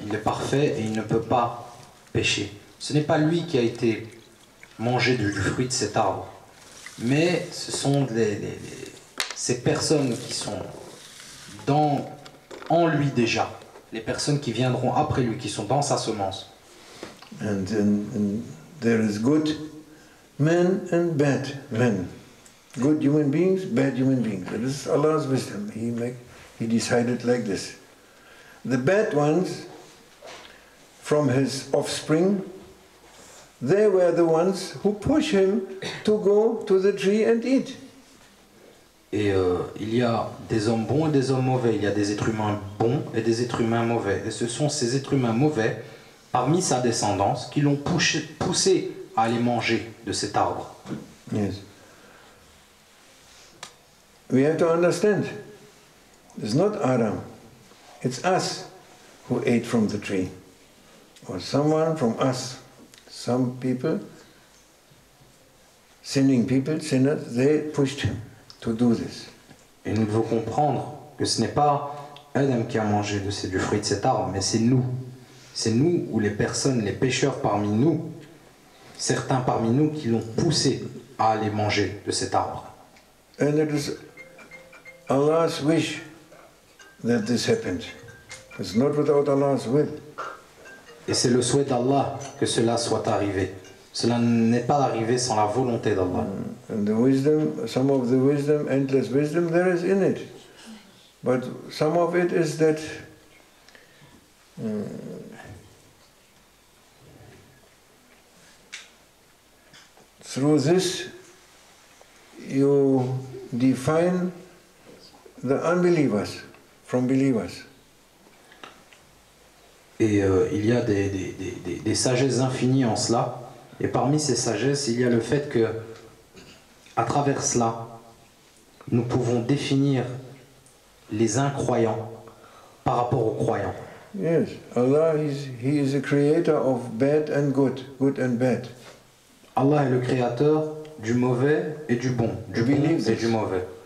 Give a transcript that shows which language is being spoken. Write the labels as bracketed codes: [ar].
[fr] Il est parfait et il ne peut pas pécher. Ce n'est pas lui qui a été manger du fruit de cet arbre. Mais ce sont ces personnes qui sont en lui déjà, les personnes qui viendront après lui, qui sont dans sa semence. [en] And there is good men and bad men. Good human beings, bad human beings. This is Allah's wisdom. He decided like this. The bad ones from his offspring, they were the ones who push him to go to the tree and eat. [fr] Et il y a des hommes bons et des hommes mauvais. Il y a des êtres humains bons et des êtres humains mauvais. Et ce sont ces êtres humains mauvais, parmi sa descendance, qui l'ont poussé à aller manger de cet arbre. [en] Yes. We have to understand. It's not Adam. It's us who ate from the tree. Or someone from us. Some people, sinning people, sinners, they pushed him to do this. [fr] Et nous devons comprendre que ce n'est pas Adam qui a mangé du fruit de cet arbre, mais c'est nous. C'est nous ou les personnes, les pécheurs parmi nous, certains parmi nous qui l'ont poussé à aller manger de cet arbre. [en] And it is Allah's wish that this happened. It's not without Allah's will. [fr] Et c'est le souhait d'Allah que cela soit arrivé. Cela n'est pas arrivé sans la volonté d'Allah. [en] And the wisdom, some of the wisdom, endless wisdom, there is in it. But some of it is that Through this, you define the unbelievers from believers. [fr] Et il y a des sagesses infinies en cela. Et parmi ces sagesses, il y a le fait que, à travers cela, nous pouvons définir les incroyants par rapport aux croyants. [en] Yes, Allah is He is the creator of bad and good, good and bad. [fr] Allah est le créateur du mauvais et du bon, du bon et du mauvais.